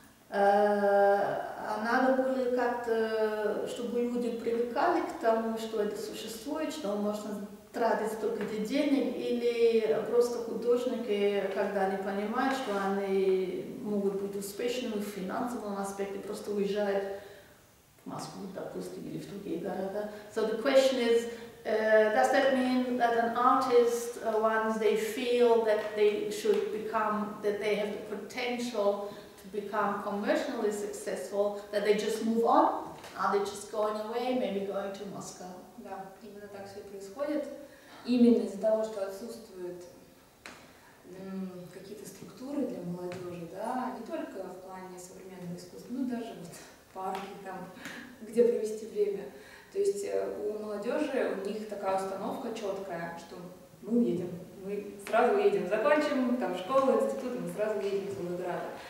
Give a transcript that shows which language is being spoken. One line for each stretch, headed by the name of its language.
Russian: Надо было как-то, чтобы люди привыкали к тому, что это существует, что можно тратить столько денег, или просто художники, когда они понимают, что они могут быть успешными в финансовом аспекте, просто уезжают в Москву, допустим, или в другие города.
English: So the question is, does that mean that an artist, once they feel that they should become, that they have the potential become commercially successful, that they just move on? Are they just going away, maybe going to Moscow?
Russian: Да, именно так все происходит. Именно из-за того, что отсутствуют какие-то структуры для молодежи, да, не только в плане современного искусства, но даже вот парки там, где провести время. То есть у молодежи, у них такая установка четкая, что мы уедем, мы сразу уедем, закончим там школу, институт, мы сразу уедем в Волгоград.